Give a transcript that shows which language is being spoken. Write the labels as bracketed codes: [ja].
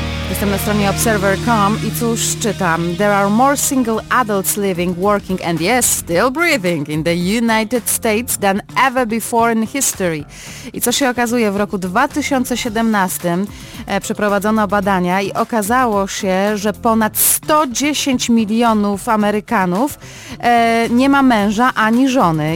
[pl] jestem na stronie Observer.com i cóż czytam? [en] There are more single adults living, working and yes, still breathing in the United States than ever before in history. [pl] I co się okazuje? W roku 2017 przeprowadzono badania i okazało się, że ponad 110 milionów Amerykanów nie ma męża ani żony.